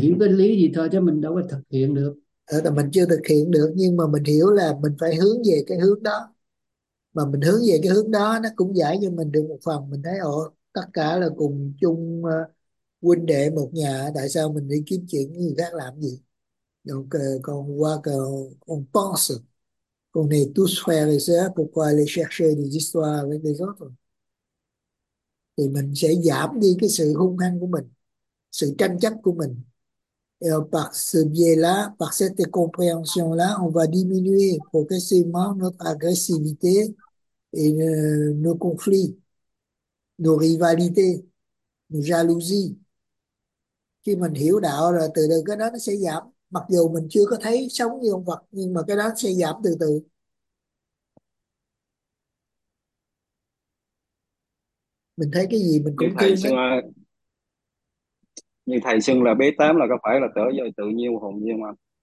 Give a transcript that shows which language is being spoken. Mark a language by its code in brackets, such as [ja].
[vi] hiểu cái lý gì thôi chứ mình đâu có thực hiện được. ở là mình chưa thực hiện được, nhưng mà mình hiểu là mình phải hướng về cái hướng đó, mà mình hướng về cái hướng đó nó cũng giải cho mình được một phần. Mình thấy ồ, tất cả là cùng chung huynh đệ một nhà, tại sao mình đi kiếm chuyện với người khác làm gì. [fr] Donc [vi] còn qua còn [fr] pense qu'on est tous frères et sœurs, pourquoi aller chercher des histoires avec les autres? [vi] Thì mình sẽ giảm đi cái sự hung hăng của mình, sự tranh chấp của mình. [fr] Et par ce biais-là, par cette compréhension-là, on va diminuer progressivement notre agressivité et nos conflits, nos rivalités, nos jalousies. [vi] Khi mình hiểu đạo rồi, từ từ cái đó nó sẽ giảm. Mặc dù mình chưa có thấy sống như ông Phật, nhưng mà cái đó sẽ giảm từ từ. Mình thấy cái gì mình cũng thương hết. Như thầy xưng là bé tám là có phải là trở về tự nhiên hồn nhiên không?